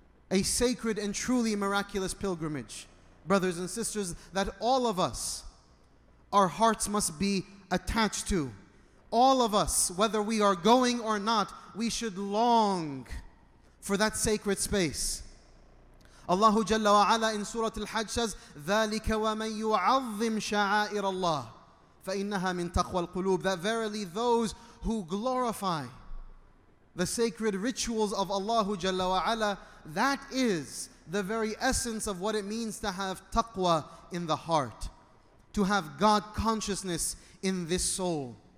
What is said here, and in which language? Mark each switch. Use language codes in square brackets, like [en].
[en] A sacred and truly miraculous pilgrimage, brothers and sisters, that all of us, our hearts must be attached to. All of us, whether we are going or not, we should long for that sacred space. Allahu Jalla wa Ala in Surah Al-Hajj says, [ar] ذَلِكَ وَمَنْ يُعَظِّمْ شَعَائِرَ اللَّهِ فَإِنَّهَا مِنْ تَقْوَى الْقُلُوبِ. [en] That verily those who glorify the sacred rituals of Allahu Jalla wa Ala, that is the very essence of what it means to have taqwa in the heart, to have God consciousness in this soul.